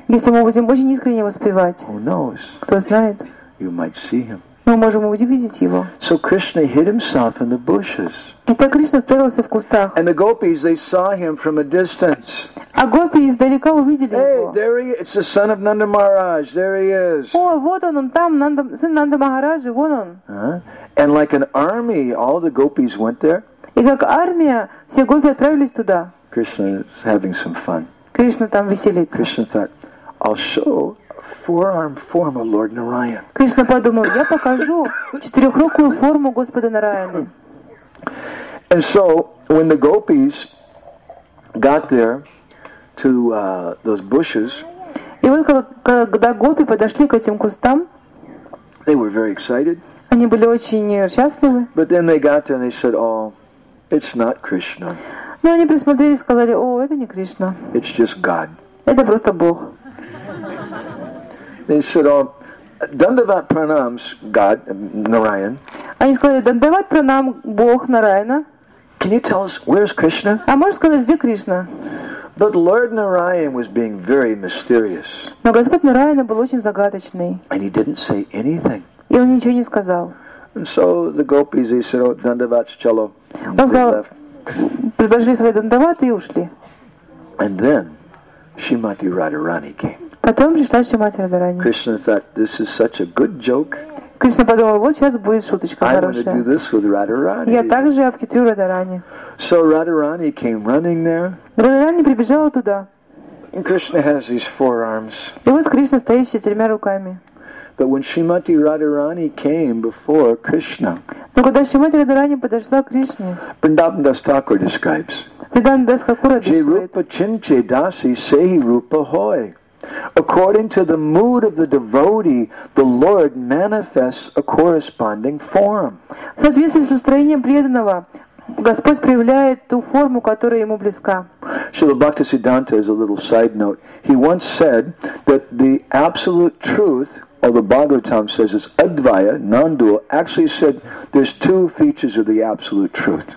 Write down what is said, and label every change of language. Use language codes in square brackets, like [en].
[ru] если мы будем очень искренне воспевать, [en] who knows, [ru] кто знает, [en] you might see him. [ru] Мы можем увидеть его. [en] So Krishna hid himself in the bushes. [ru] И так Кришна спрятался в кустах. [en] And the gopis, they saw him from a distance. [ru] А гопи издалека увидели [en] hey, [ru] его. [en] There he is. It's the son of Nanda Maharaj. There he is. [ru] О, вот он там, сын Нанда Махараджи, вон он. [en] And like an army, all the gopis went there. [ru] И как армия, все гопи отправились туда. [en] Krishna is having some fun. [ru] Кришна там веселится. [en] Krishna thought, I'll show a four-armed form of Lord Narayan. [ru] Кришна подумал, я покажу четырехрукую форму Господа Нараяны. [en] And so when the gopis got there to those bushes, [ru] и вот когда гопи подошли к этим кустам, [en] they were very excited. [ru] Они были очень счастливы. [en] But then they got there and they said, oh, it's not Krishna. [ru] Но они присмотрели и сказали, о, это не Кришна. [en] It's just God. [ru] Это просто Бог. [en] They said, oh, Dandavat Pranam's God, Narayan. [ru] Они сказали, Dandavat Pranam, Бог Нараяна. [en] Can you tell us, where is Krishna? [ru] А можешь сказать, где Кришна? [en] But Lord Narayan was being very mysterious. [ru] Но Господь Нараяна был очень загадочный. [en] And he didn't say anything. [ru] И он ничего не сказал. [en] And so the gopis, they said, oh, dandavat chalo. [ru] Он сказал, предложили свои дандаваты и ушли. [en] And then Shrimati Radharani came. [ru] Потом пришла Шримати Радхарани. [en] Krishna thought, this is such a good joke. [ru] Кришна подумал, вот сейчас будет шуточка хорошая. [en] I'm going to do this with Radharani. [ru] Я также обхитрю Радхарани. [en] So Radharani came running there. [ru] Радхарани прибежала туда. [en] And Krishna has these four arms. [ru] И вот Кришна стоит с четырьмя руками. [en] But when Shrimati Radharani came before Krishna. [ru] Но когда Шримати Радхарани подошла к Кришне. [en] Vrindavan Das Thakur describes. Vrindavan Das Thakur describes. [bn] Jirupa Chinche Dasi Sehi Rupa Hoy. [en] According to the mood of the devotee, the Lord manifests a corresponding form. [ru] В соответствии с настроением преданного, Господь проявляет ту форму, которая ему близка. [en] Srila Bhaktisiddhanta is a little side note. He once said that the absolute truth, or the Bhagavatam says it's Advaya, non-dual, actually said there's two features of the absolute truth.